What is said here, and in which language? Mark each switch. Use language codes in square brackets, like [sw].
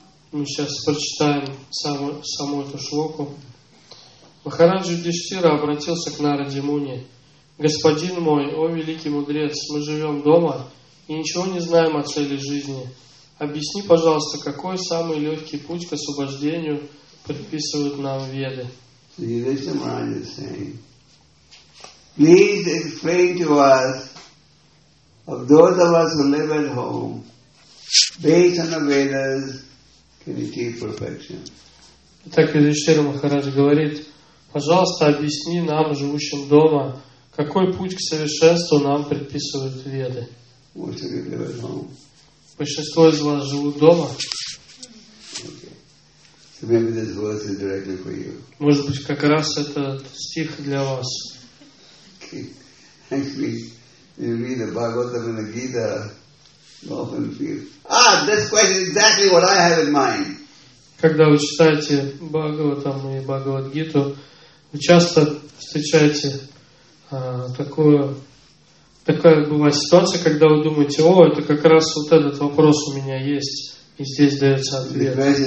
[ru] Мы сейчас прочитаем саму эту шлоку. Махарадж Юдхиштхира обратился к Нараде Муни. Господин мой, о великий мудрец, мы живем дома и ничего не знаем о цели жизни. Объясни, пожалуйста, какой самый легкий путь к освобождению предписывают нам веды. [en] Please explain to us, of those of us who live at home, based on the Vedas, can achieve perfection. [ru] Итак, Юдхиштхира Махарадж говорит, пожалуйста, объясни нам, живущим дома, какой путь к совершенству нам предписывают Веды. [en] Most of you live at home. [ru] Большинство из вас живут дома. [en] So maybe this verse is directly for you. [ru] Может быть, как раз этот стих для вас. [en] Actually, you read the Bhagavatam and the Gita, you often feel, this question is exactly what I have in mind. [ru] Когда вы читаете Бхагаватам и Бхагавадгиту, вы часто встречаете такая бывает ситуация, когда вы думаете, это как раз вот этот вопрос у меня есть, и здесь дается ответ.